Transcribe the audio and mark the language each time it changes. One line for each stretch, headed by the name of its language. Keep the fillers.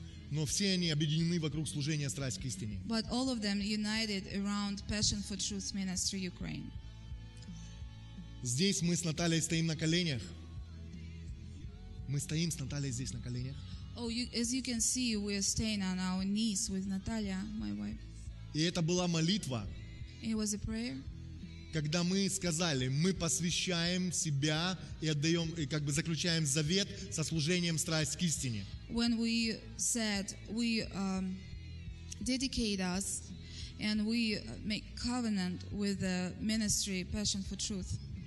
Russian: Но все они объединены вокруг служения страсть к истине.
English: But all of them united around Passion for Truth Ministry Ukraine.
Russian: Здесь мы с Натальей стоим на коленях. Мы стоим с Натальей здесь на коленях.
English: Oh, you, as you can see, we are staying on our knees with Natalia, my wife.
Russian: И это была молитва.
English: It was a prayer.
Russian: Когда мы сказали, мы посвящаем себя и отдаем, и как бы заключаем завет со служением страсть к истине.
English: When we said we um, dedicate us and we make covenant with the ministry Passion for Truth.